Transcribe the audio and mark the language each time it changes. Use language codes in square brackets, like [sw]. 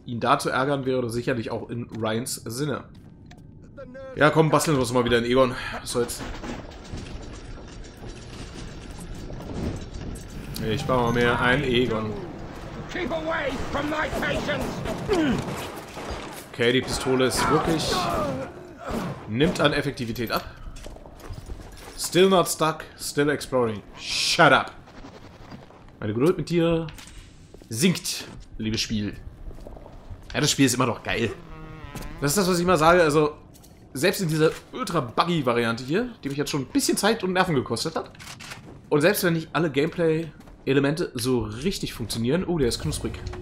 [de] Ihn da zu ärgern wäre sicherlich auch in Ryans Sinne. Ja, komm, basteln wir uns mal wieder in Egon. So jetzt. Ich baue mir ein Egon. Okay, die Pistole ist wirklich... nimmt an Effektivität ab. [en] Still not stuck, still exploring. Shut up! [de] Meine Geduld mit dir sinkt, liebes Spiel. Ja, das Spiel ist immer noch geil. Das ist das, was ich immer sage, also... selbst in dieser Ultra-Buggy-Variante hier, die mich jetzt schon ein bisschen Zeit und Nerven gekostet hat. Und selbst wenn nicht alle Gameplay-Elemente so richtig funktionieren. Oh, der ist knusprig.